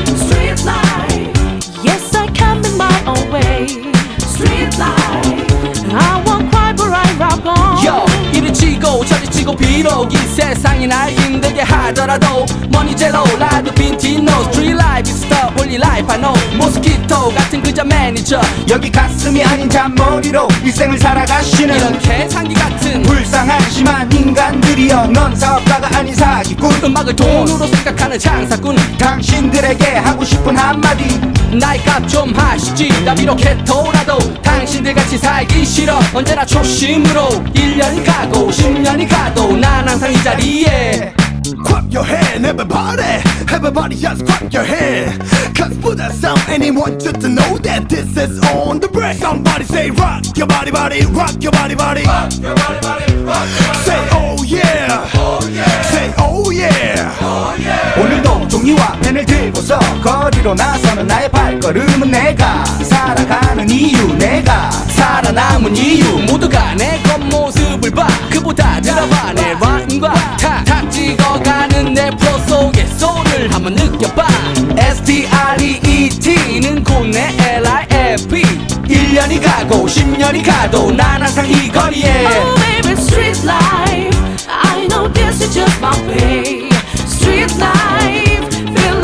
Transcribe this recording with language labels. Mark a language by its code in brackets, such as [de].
[en] Street life, yes I can be my own way. Street life, I won't cry but I rock on. [ko] Yo, 이를 치고 저를 치고 비록 이 세상이 날 힘들게 하더라도 Money Jello, 라드 빈티노. [en] Street life is the only life I know. [ko] 모스키토 같은 그저 매니저. 여기 가슴이 아닌 잔머리로 일생을 살아가시는 이런 개창기 같은 불쌍하지만 인간들이여, 넌 사업가가 아닌 사기꾼. 음악을 돈으로 생각하는 장사꾼. 당신들에게 하고 싶은 한마디, 나이 값 좀 하시지. 나 비록 해토라도 당신들 같이 살기 싫어. 언제나 초심으로 1년이 가고 10년이 가도 난 항상 이 자리에. [en] Clap your hand, everybody. Everybody just clap your hand. Cause for that sound, anyone just to know that this is on the break. Somebody say rock your body, body. Rock your body, body. Rock your body, body. Rock your body. Say oh yeah, oh yeah. Say oh yeah, oh yeah. [ko] 오늘도 종이와 펜을 들고서 거리로 나서는 나의 발걸음은 내가 살아가는 이유, 내가 살아남은 이유. 모두가 내 겉모습을 봐. 그보다 들어봐 내 rhyme과 탁탁 찍어가는 내 프로 속의 소울을 한번 느껴봐. S.T.R.E.E.T는 곧 내 L.I.F.E. 1년이 가고 10년이 가도 난 항상 이 거리에. [en] Oh baby, street life, I know this is just my way. Street life,